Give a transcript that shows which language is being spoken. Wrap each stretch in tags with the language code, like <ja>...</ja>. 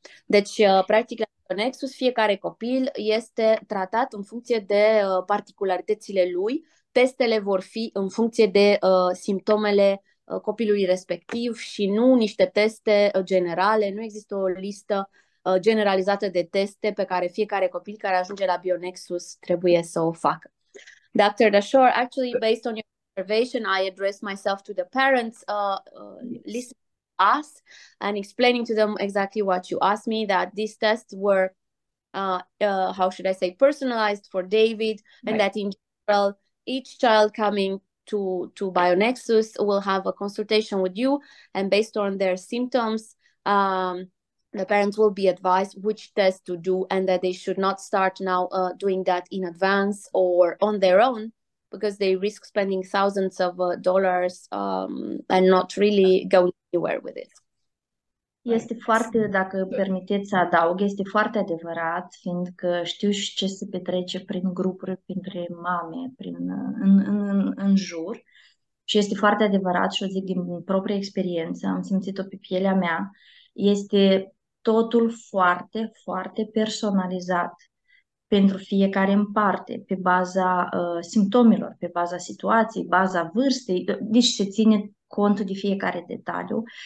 <ro>Deci, practic, la Nexus, fiecare copil este tratat în funcție de particularitățile lui. Testele vor fi în funcție de simptomele copilului respectiv și nu niște teste generale. Nu există o listă generalizată de teste pe care fiecare copil care ajunge la BioNexus trebuie să o facă.</ro> <en>Dr. Dashaure, actually, based on your observation, I address myself to the parents, listening to us and explaining to them exactly what you asked me, that these tests were, how should I say, personalized for David, and that in general, each child coming to BioNexus will have a consultation with you, and based on their symptoms, the parents will be advised which test to do, and that they should not start now doing that in advance or on their own, because they risk spending thousands of dollars and not really going anywhere with it.</en> <ro>Este foarte, dacă permiteți să adaug, este foarte adevărat, fiindcă știu și ce se petrece prin grupuri, printre mame, în jur. Și este foarte adevărat și o zic din propria experiență, am simțit-o pe pielea mea, este totul foarte, foarte personalizat pentru fiecare în parte, pe baza simptomelor, pe baza situației, baza vârstei, deci se ține cont de fiecare detaliu.</ro>